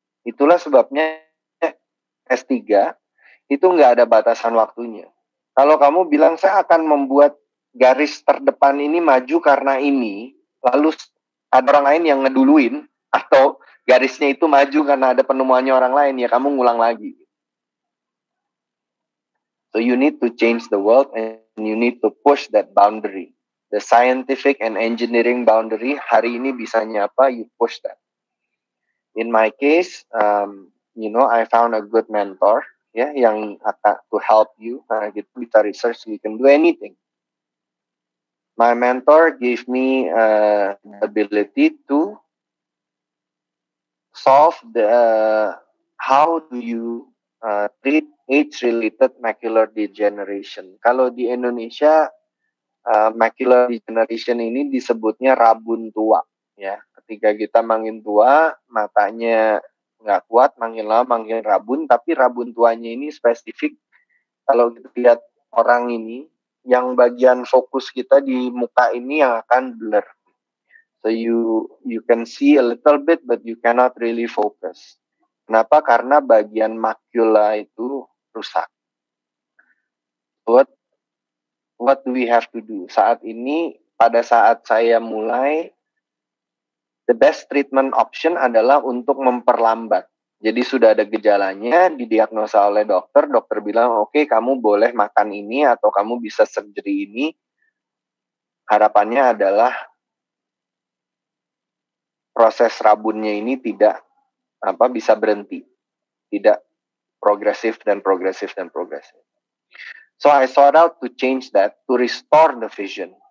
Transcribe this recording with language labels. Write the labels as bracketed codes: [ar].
[id] Itulah sebabnya S3 itu nggak ada batasan waktunya. Kalau kamu bilang, saya akan membuat garis terdepan ini maju karena ini, lalu ada orang lain yang ngeduluin, atau garisnya itu maju karena ada penemuannya orang lain, ya kamu ngulang lagi. [en] So you need to change the world and you need to push that boundary. The scientific and engineering boundary, [id] hari ini bisanya apa, [en] you push that. In my case, you know, I found a good mentor, ya, [id] yang akan [en] to help you, [id] karena kita bisa [en] research, we can do anything. My mentor gave me the ability to solve the, how do you treat age-related macular degeneration. [id] Kalau di Indonesia, macular degeneration ini disebutnya rabun tua, ya. Ketika kita makin tua, matanya nggak kuat, makin lama makin rabun, tapi rabun tuanya ini spesifik. Kalau kita lihat orang ini, yang bagian fokus kita di muka ini yang akan blur. [en] So you can see a little bit, but you cannot really focus. [id] Kenapa? Karena bagian makula itu rusak. [en] What do we have to do? [id] Saat ini, pada saat saya mulai, [en] the best treatment option [id] adalah untuk memperlambat. Jadi sudah ada gejalanya, didiagnosa oleh dokter, dokter bilang, okay, kamu boleh makan ini atau kamu bisa surgery ini. Harapannya adalah proses rabunnya ini tidak apa bisa berhenti. Tidak progresif dan progresif dan progresif. [en] So I sought out to change that, to restore the vision.